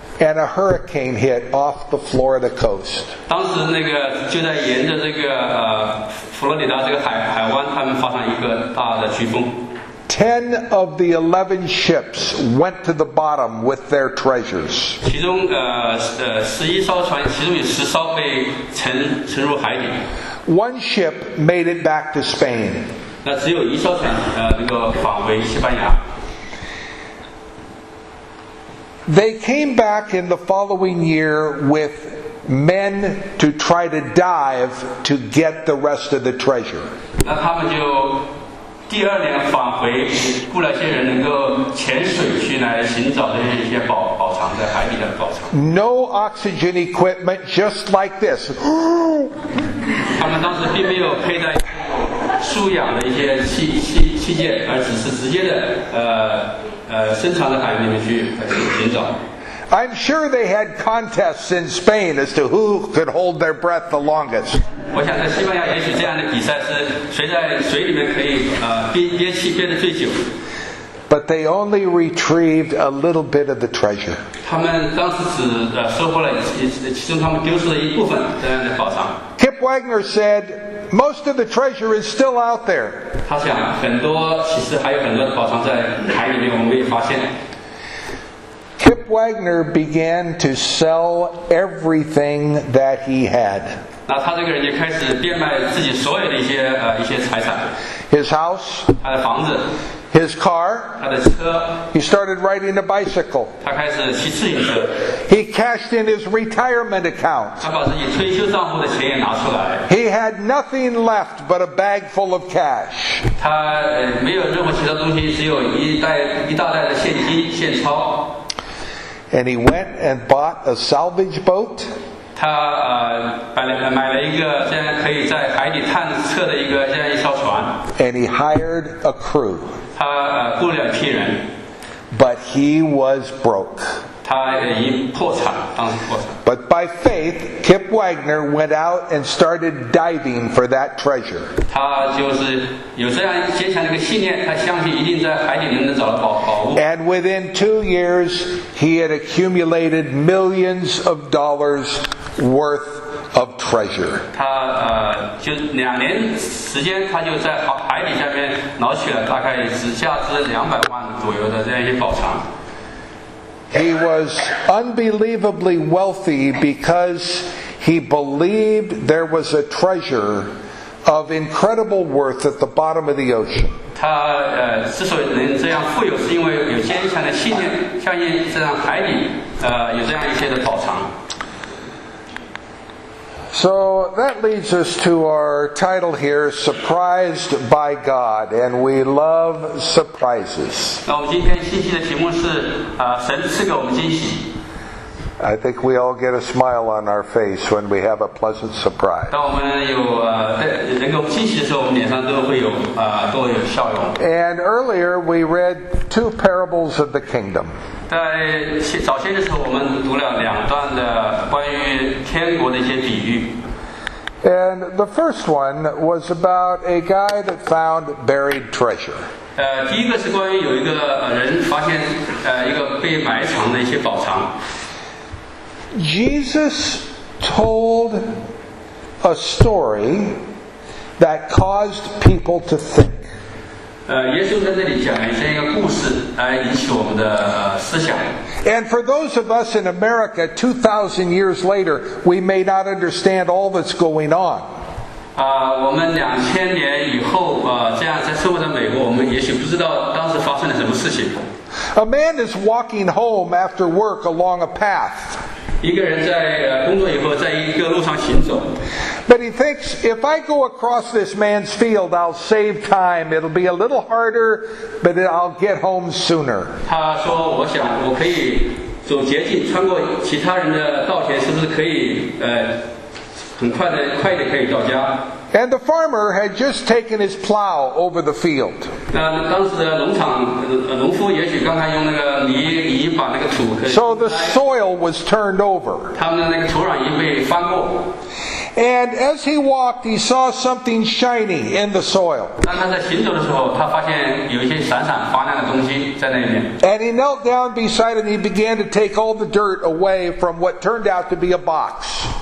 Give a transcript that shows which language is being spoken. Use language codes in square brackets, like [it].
[en] And a hurricane hit off the Florida coast. [zh] 当时那个就在沿着这个佛罗里达这个海湾，他们发生一个大的飓风。 [en] 10 of the 11 ships went to the bottom with their treasures. [zh] 其中11艘船，其中有10艘被沉入海底。 [en] One ship made it back to Spain. [zh] 那只有一艘船，那个返回西班牙。 [en] They came back in the following year with men to try to dive to get the rest of the treasure. [zh] 那他们就第二年返回，雇了些人能够潜水去来寻找这些宝藏在海底的宝藏。 [en] No oxygen equipment, just like this. [zh] 他们当时并没有佩戴。素养的一些器械，而只是直接的深藏在海里面去寻找。 [en] I'm sure they had contests in Spain as to who could hold their breath the longest. [zh] 我想在西班牙也许这样的比赛是谁在水里面可以憋气憋得最久。 [en] But they only retrieved a little bit of the treasure. [zh] 他们当时只收获了其中他们丢失了一部分这样的宝藏。 [en] Kip Wagner said, most of the treasure is still out there. [zh] 他想很多其实还有很多的宝藏在海里面，我们没有发现。 [en] Kip Wagner began to sell everything that he had. [zh] 那他这个人就开始变卖自己所有的一些财产。 [en] His house. [zh] 他的房子。 [en] His car. [zh] 他的车。 [en] He started riding a bicycle. [zh] 他开始骑自行车。 [en] He cashed in his retirement account. [zh] 他把自己退休账户的钱也拿出来。 [en] He had nothing left but a bag full of cash. [zh] 他没有任何其他东西，只有一大袋的现金现钞。 [en] And he went and bought a salvage boat. [zh] 他买了一个这样可以在海底探测的这样一艘船。 [en] And he hired a crew. [zh] 雇了两批人。 [en] But he was broke. [zh] 他已破产，当时破产。 [en] But by faith, Kip Wagner went out and started diving for that treasure. [zh] 他就是有这样坚强的一个信念，他相信一定在海底能找到宝物。 [en] And within 2 years, he had accumulated millions of dollars worth of treasure. [zh] 他就两年时间，他就在海底下面捞取了大概是价值200万左右的这样一些宝藏。 [en] He was unbelievably wealthy because he believed there was a treasure of incredible worth at the bottom of the ocean. [zh] 他之所以能这样富有，是因为有坚强的信念，相信这样海底有这样一些的宝藏。 [en] So that leads us to our title here, Surprised by God, and we love surprises. [zh] 那我们今天信息的题目是神赐给我们惊喜。 [en] I think we all get a smile on our face when we have a pleasant surprise. [zh] 当我们有能够惊喜的时候，我们脸上都会有笑容。 [en] And earlier we read two parables of the kingdom. [zh] 在早先的时候，我们读了两段的关于天国的一些比喻。 [en] And the first one was about a guy that found buried treasure. [zh] 第一个是关于有一个人发现一个被埋藏的一些宝藏。 [en] Jesus told a story that caused people to think. [zh] 耶稣在这里讲一些一个故事来引起我们的思想。 [en] And for those of us in America, 2,000 years later, we may not understand all that's going on. [zh] 我们2000年以后这样在生活在美国，我们也许不知道当时发生了什么事情。 [en] A man is walking home after work along a path. [zh] 一个人在工作以后在一个路上行走。 [en] But he thinks, if I go across this man's field, I'll save time. It'll be a little harder, but I'll get home sooner. [zh] 他说我想我可以走捷径穿过其他人的稻田，是不是可以很快的可以到家。 [en] And the farmer had just taken his plow over the field. [zh] 当时的农夫也许刚刚用那个犁把那个土可以。 [en] So the soil was turned over. [zh] 他们的那个土壤已经被翻过。 [en] And as he walked, he saw something shiny in the soil. [zh] 当他在行走的时候，他发现有一些闪闪发亮的东西在那里面。 [en] And he knelt down beside it and he began to take all the dirt away from what turned out to be a box.